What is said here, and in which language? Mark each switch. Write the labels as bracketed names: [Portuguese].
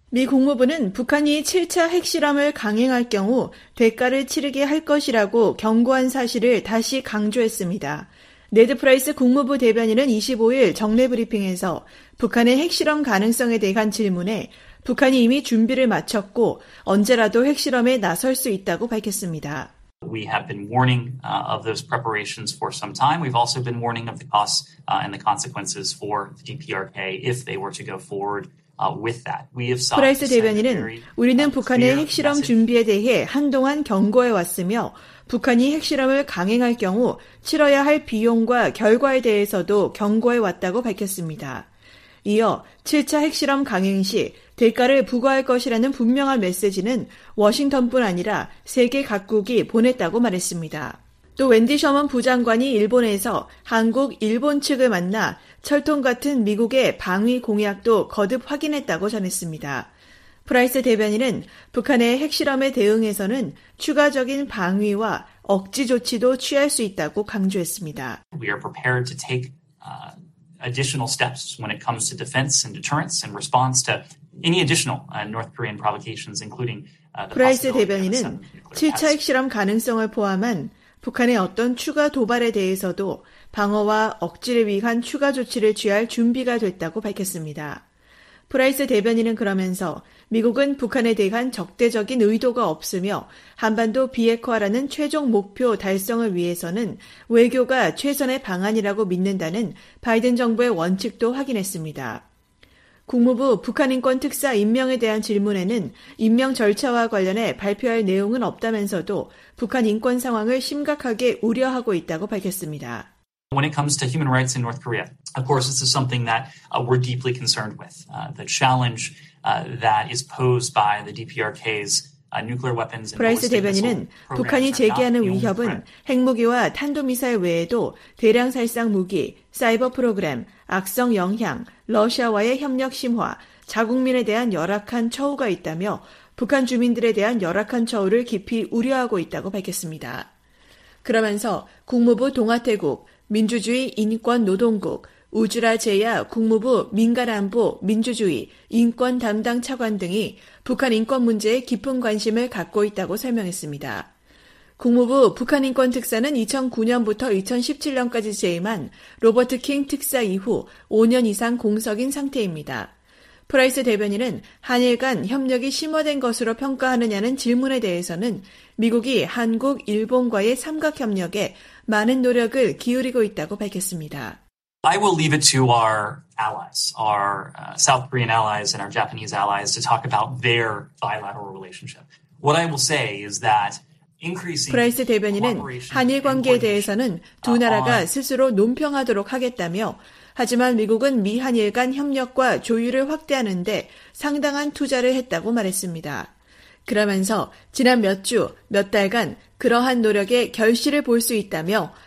[Korean] 미 국무부는 북한이 7차 핵실험을 강행할 경우 대가를 치르게 할 것이라고 경고한 사실을 다시 강조했습니다. 네드 프라이스 국무부 대변인은 25일 정례 브리핑에서 북한의 핵실험 가능성에 대한 질문에 북한이 이미 준비를 마쳤고 언제라도 핵실험에 나설 수 있다고 밝혔습니다. [English] We have been warning of those preparations for some time. We've also been warning of the costs and the consequences for the DPRK if they were to go forward. [Korean] 프라이스 대변인은 우리는 북한의 핵실험 준비에 대해 한동안 경고해 왔으며 북한이 핵실험을 강행할 경우 치러야 할 비용과 결과에 대해서도 경고해 왔다고 밝혔습니다. 이어 7차 핵실험 강행 시 대가를 부과할 것이라는 분명한 메시지는 워싱턴뿐 아니라 세계 각국이 보냈다고 말했습니다. 또 웬디 셔먼 부장관이 일본에서 한국, 일본 측을 만나 철통 같은 미국의 방위 공약도 거듭 확인했다고 전했습니다. 프라이스 대변인은 북한의 핵실험에 대응해서는 추가적인 방위와 억지 조치도 취할 수 있다고 강조했습니다. [English] We are prepared to take additional steps when it comes to defense and deterrence and response to any additional North Korean provocations, including the possibility of a [Korean] 프라이스 대변인은 7차 핵실험 가능성을 포함한 북한의 어떤 추가 도발에 대해서도 방어와 억지를 위한 추가 조치를 취할 준비가 됐다고 밝혔습니다. 프라이스 대변인은 그러면서 미국은 북한에 대한 적대적인 의도가 없으며 한반도 비핵화라는 최종 목표 달성을 위해서는 외교가 최선의 방안이라고 믿는다는 바이든 정부의 원칙도 확인했습니다. 국무부 북한인권특사 임명에 대한 질문에는 임명 절차와 관련해 발표할 내용은 없다면서도 북한 인권 상황을 심각하게 우려하고 있다고 밝혔습니다. [English] When it comes to human rights in North Korea, of course, this is something that we're deeply concerned with. The challenge that is posed by the DPRK's nuclear weapons. [Korean] 프라이스 대변인은 북한이 제기하는 위협은 핵무기와 탄도미사일 외에도 대량살상 무기, 사이버 프로그램, 악성 영향, 러시아와의 협력 심화, 자국민에 대한 열악한 처우가 있다며 북한 주민들에 대한 열악한 처우를 깊이 우려하고 있다고 밝혔습니다. 그러면서 국무부 동아태국, 민주주의 인권노동국, 우주라 제야 국무부 민간안보 민주주의 인권 담당 차관 등이 북한 인권 문제에 깊은 관심을 갖고 있다고 설명했습니다. 국무부 북한인권특사는 2009년부터 2017년까지 재임한 로버트 킹 특사 이후 5년 이상 공석인 상태입니다. 프라이스 대변인은 한일 간 협력이 심화된 것으로 평가하느냐는 질문에 대해서는 미국이 한국, 일본과의 삼각협력에 많은 노력을 기울이고 있다고 밝혔습니다. [English] I will leave it to our allies, our South Korean allies and our Japanese allies to talk about their bilateral relationship. What I will say is that [Korean] 프라이스 대변인은 한일 관계에 대해서는 두 나라가 스스로 논평하도록 하겠다며 하지만 미국은 미한일 간 협력과 조율을 확대하는 데 상당한 투자를 했다고 말했습니다. 그러면서 지난 몇 주, 몇 달간 그러한 노력의 결실을 볼 수 있다며